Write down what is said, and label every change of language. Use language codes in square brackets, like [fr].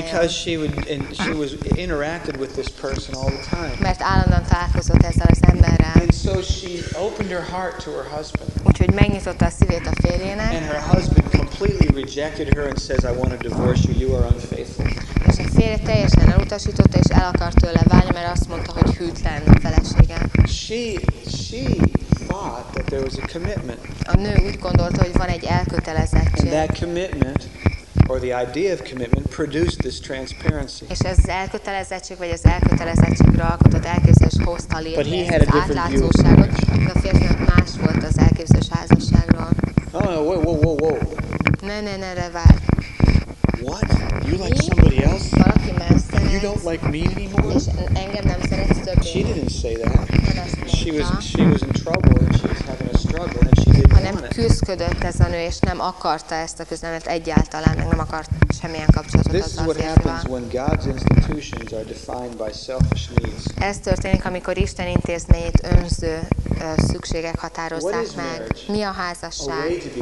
[en] Because she was interacted with this person all the time. [hu] Mert állandóan találkozott ezzel az emberrel. [en] And so she opened her heart to her husband. [hu] Úgyhogy megnyitotta a szívét a férjének. [en] And her husband completely rejected her and says, "I want to divorce you. You are unfaithful." [hu] És a férje teljesen elutasította és el akart tőle válni, mert azt mondta, hogy hűtlen a felesége. [en] She thought that there was a commitment. [hu] A nő úgy gondolta, hogy van egy elkötelezettség. [en] And that commitment or the idea of commitment produced this transparency. [hu] És ez az elkötelezettség vagy az elkötelezettségről alkotott elképzelés hozta létre. [en] But he had a different view of marriage. [hu] A férfiak más volt az elképzelés házasságról. [en] Oh, whoa. [hu] Ne, de várj. [en] What? You like somebody else? [hu] Valaki más szeret. [en] You don't like me anymore? [hu] És engem nem szeretsz többé. [en] She didn't say that. She was in trouble and she was having a struggle and she didn't want it. [hu] Hanem küzdködött ez a nő, és nem akarta ezt a küzdelmet egyáltalán, nem akart semmilyen kapcsolatot azzal a férfival. [en] This is what happens when God's institutions are defined by selfish needs. [hu] Ez történik, amikor Isten intézményét önző szükségek határozzák meg. Mi a házasság?